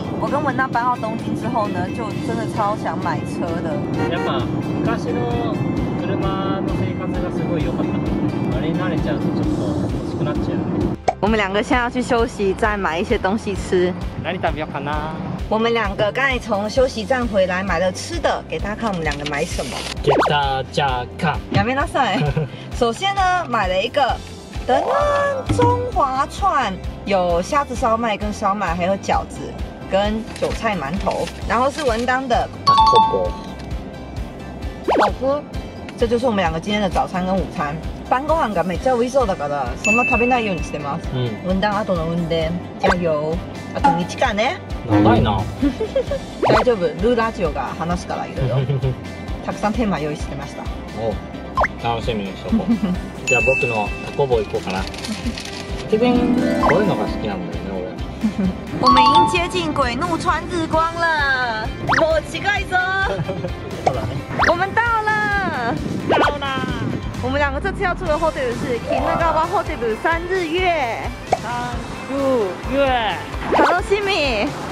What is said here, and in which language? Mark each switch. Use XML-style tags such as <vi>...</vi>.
<zh>跟文娜搬到东京之后呢，就真的超想买车的。</zh> <ja>やっぱ昔の車の生活がすごい良かった。あれ慣れちゃうとちょっと欲しくなっちゃう。</ja> <zh>我们两个现在要去休息，再买一些东西吃。</zh> <ja>何食べようかな？</ja> <zh>我们两个刚才从休息站回来，买了吃的，给大家看我们两个买什么。给大家看。</zh> <ja>やめなさい。</ja> <zh>首先呢，买了一个，等等，中华串，有虾子烧麦跟烧麦，还有饺子跟韭菜馒头。然后是文当的火锅。火锅，这就是我们两个今天的早餐跟午餐。</zh> <ja>晩ご飯がめっちゃ美味しそうだからそんな食べないようにしてます。運転後の運転、</ja> <zh>加油。</zh> <ja>あと道かね。長いな。大丈夫、ルーラジオが話すからいろいろ。たくさんテーマ用意してました。お、楽しみにしとこう。じゃあ僕のタコボ行こうかな。ティビン、こういうのが好きなんだよね俺。</ja> <zh>我们已经接近鬼怒川日光了。</zh> <ja>もう近いぞ。</ja> <zh>我们到了。到了。我们两个这次要住的 hotel 是 Kinagawa Hotel 三日月，</zh> <ja>三日月，楽しみ，</ja>